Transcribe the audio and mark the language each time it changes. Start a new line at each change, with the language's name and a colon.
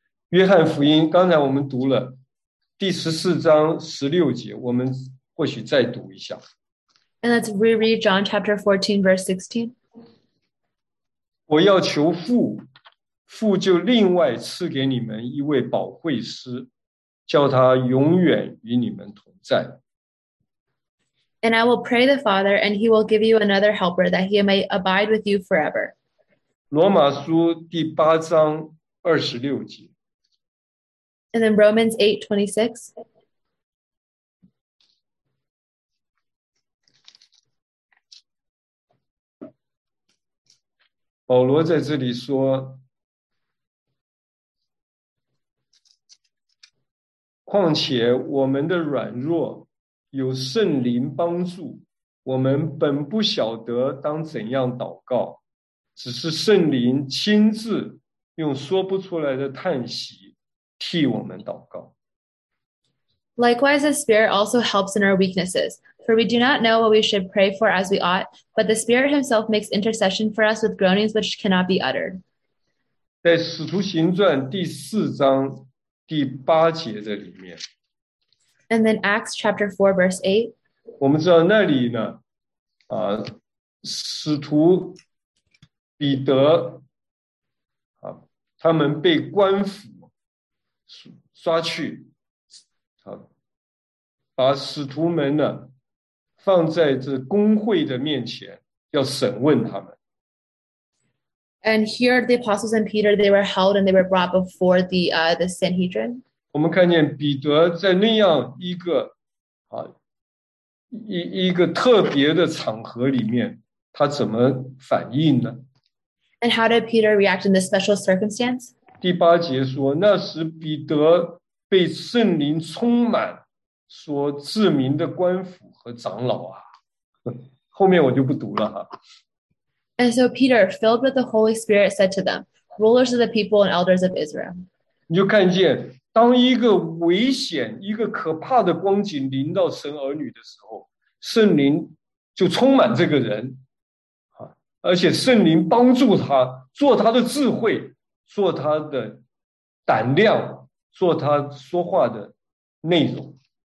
Chinese: 约翰福音，刚才我们读了第十四章十六节，我们或许再读一下。
English: And let's reread John chapter 14, verse 16.
Chinese: 我要求父，父就另外赐给你们一位保惠师，叫他永远与你们同在。
English: And I will pray the Father, and He will give you another helper, that He may abide with you forever.
Chinese: 罗马书第八章二十六节。
English: And then Romans 8:26.
Chinese: 保罗在这里说，况且我们的软弱有圣灵帮助，我们本不晓得当怎样祷告，只是圣灵亲自用说不出来的叹息替我们祷告。
English: Likewise, the Spirit also helps in our weaknesses, for we do not know what we should pray for as we ought, but the Spirit Himself makes intercession for us with groanings which cannot be uttered.
Chinese: 在《使徒行传》第四章第八节的里面。
English: And then Acts chapter 4, verse 8.
Chinese: 我们知道那里呢，使徒彼得，他们被官府抓去，把使徒们呢放在这公会的面前，要审问他们。
English: And here the apostles and Peter, they were held and they were brought before the Sanhedrin.
Chinese: 我们看见彼得在那样一个一个特别的场合里面，他怎么反应呢？
English: And how did Peter react in this special circumstance?
Chinese: 第八节说，那时彼得被圣灵充满，说自民的官府和长老啊，后面我就不读了哈。
English: And so Peter, filled with the Holy Spirit, said to them, rulers of the people and elders of Israel.
Chinese: 你就看见，当一个危险、一个可怕的光景临到神儿女的时候，圣灵就充满这个人，而且圣灵帮助他，做他的智慧，做他的胆量，做他说话的内容。